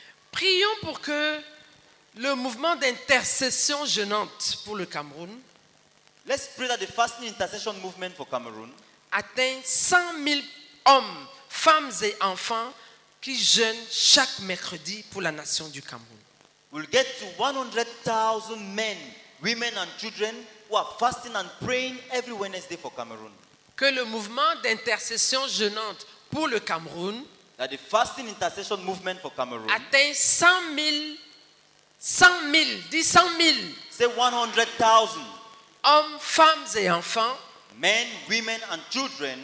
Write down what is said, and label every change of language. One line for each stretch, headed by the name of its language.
French: Prions pour que le mouvement d'intercession jeûnante pour le Cameroun.
English: Let's pray that the fasting intercession movement for Cameroon
French: atteigne 100 000 hommes, femmes et enfants qui jeûnent chaque mercredi pour la nation du Cameroun.
English: We'll get to 100 000 men, women and children who are fasting and praying every Wednesday for Cameroon.
French: Que le mouvement d'intercession jeûnante pour le Cameroun,
English: that the fasting intercession movement for Cameroon,
French: atteint 100 000,
English: say 100,000
French: hommes, femmes et enfants,
English: men, women and children,